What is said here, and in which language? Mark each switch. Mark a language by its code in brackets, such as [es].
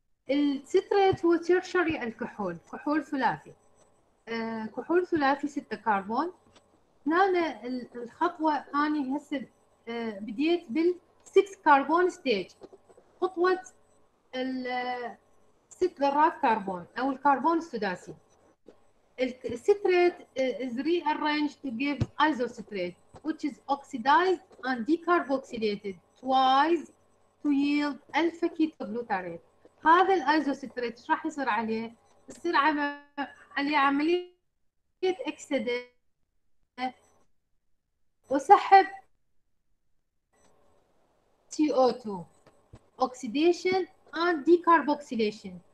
[ar] الستريت هو تيرشري الكحول، كحول ثلاثي. كحول ثلاثي 6 كربون. هنا الخطوة أني هسه بديت بال 6 كربون ستيج، خطوة ال 6 ذرات كربون أو الكربون السداسي. [en] الستريت is rearranged to give isostrate which is oxidized and decarboxylated twice to yield alpha ketoglutarate. [ar] هذا الايزوستريت ايش راح يصير عليه؟ يصير عليه عمليه اكسده وسحب سي او 2 [en] Oxidation and decarboxylation.